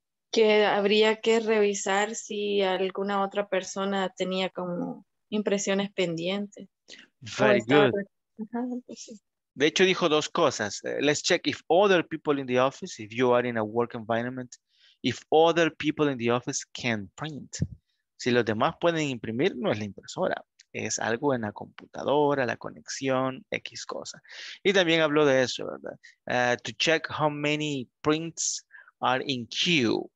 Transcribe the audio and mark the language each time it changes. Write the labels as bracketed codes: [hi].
[es] Que habría que revisar si alguna otra persona tenía como impresiones pendientes. [en] Very good. [es] De hecho, dijo dos cosas. [en] Let's check if other people in the office, if you are in a work environment, if other people in the office can print. [es] Si los demás pueden imprimir, no es la impresora. Es algo en la computadora, la conexión, X cosa. Y también habló de eso, ¿verdad? [en] To check how many prints are in queue.